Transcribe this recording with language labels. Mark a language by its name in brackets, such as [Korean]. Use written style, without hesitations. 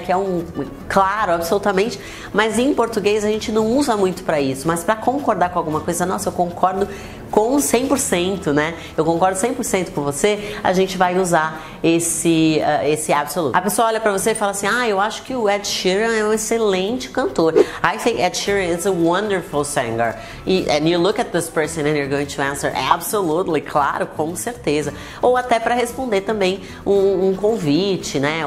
[Portuguese] Que é um claro, absolutamente. Mas em português a gente não usa muito pra isso. Mas pra concordar com alguma coisa, nossa, eu concordo com 100%, né? Eu concordo 100% com você, a gente vai usar esse absoluto. A pessoa olha pra você e fala assim, eu acho que o Ed Sheeran é um excelente cantor. [English] I think Ed Sheeran is a wonderful singer. And you look at this person and you're going to answer absolutely, [Portuguese] claro, com certeza. Ou até pra responder também um convite, né?